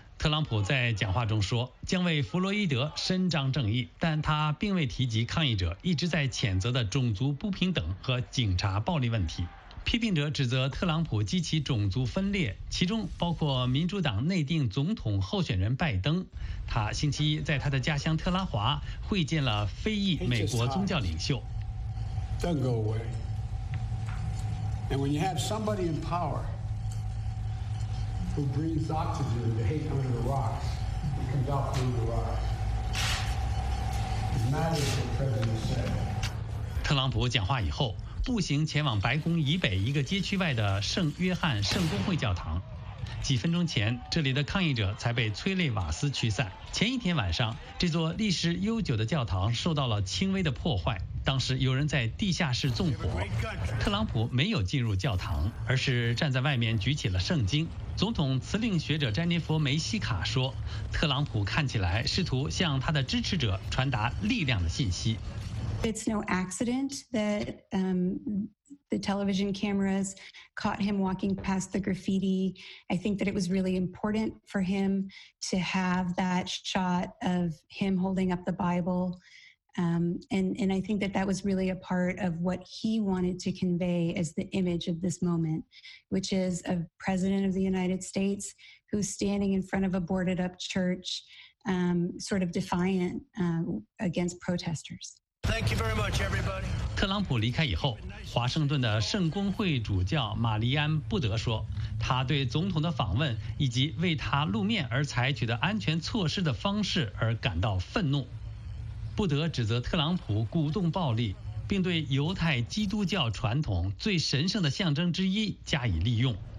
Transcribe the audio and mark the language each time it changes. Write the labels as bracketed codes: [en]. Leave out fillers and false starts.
[zh] 特朗普在讲话中说，将为弗洛伊德伸张正义，但他并未提及抗议者一直在谴责的种族不平等和警察暴力问题。批评者指责特朗普激起种族分裂，其中包括民主党内定总统候选人拜登。他星期一在他的家乡特拉华会见了非裔美国宗教领袖。 [en] Don't go away. And when you have somebody in power who breathes oxygen to hate under the rocks, it comes out through the rocks. It matters what the president said. [zh] 特朗普讲话以后，步行前往白宫以北一个街区外的圣约翰圣公会教堂。几分钟前，这里的抗议者才被催泪瓦斯驱散。前一天晚上，这座历史悠久的教堂受到了轻微的破坏，当时有人在地下室纵火。特朗普没有进入教堂，而是站在外面举起了圣经。总统辞令学者詹妮弗·梅西卡说，特朗普看起来试图向他的支持者传达力量的信息。 [en] It's no accident that the television cameras caught him walking past the graffiti. I think that it was really important for him to have that shot of him holding up the Bible. And I think that that was really a part of what he wanted to convey as the image of this moment, which is a president of the United States who's standing in front of a boarded up church, sort of defiant against protesters. Thank you very much, everybody. [zh] 特朗普离开以后，华盛顿的圣公会主教玛丽安·布德说，他对总统的访问以及为他露面而采取的安全措施的方式而感到愤怒。布德指责特朗普鼓动暴力，并对犹太基督教传统最神圣的象征之一加以利用。